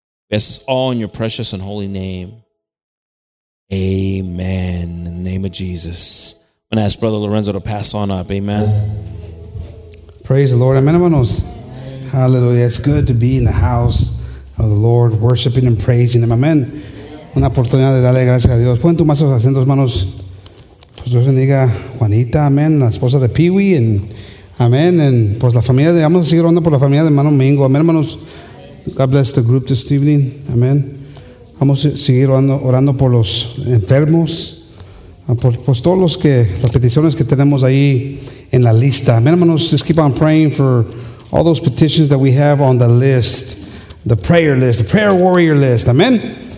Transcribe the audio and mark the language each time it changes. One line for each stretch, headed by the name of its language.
English: We ask this all in your precious and holy name. Amen. In the name of Jesus. I'm going to ask Brother Lorenzo to pass on up. Amen. Praise the Lord. Amen, hermanos. Hallelujah. It's good to be in the house of the Lord, worshiping and praising him.
Spanish: Amen. Una oportunidad de darle gracias a Dios. Pueden tomar sus asientos, hermanos. Pues Dios bendiga Juanita, amén, la esposa de Peewee, y amén, y pues la familia de, vamos a seguir orando por la familia de hermano Mingo, amén, hermanos.
English: God bless the group this evening,
Spanish: amén. Vamos a seguir orando por los enfermos, por pues todos los que, las peticiones que tenemos ahí en la lista. Amén, hermanos,
English: just keep on praying for all those petitions that we have on the list, the prayer list, the prayer warrior list, amén.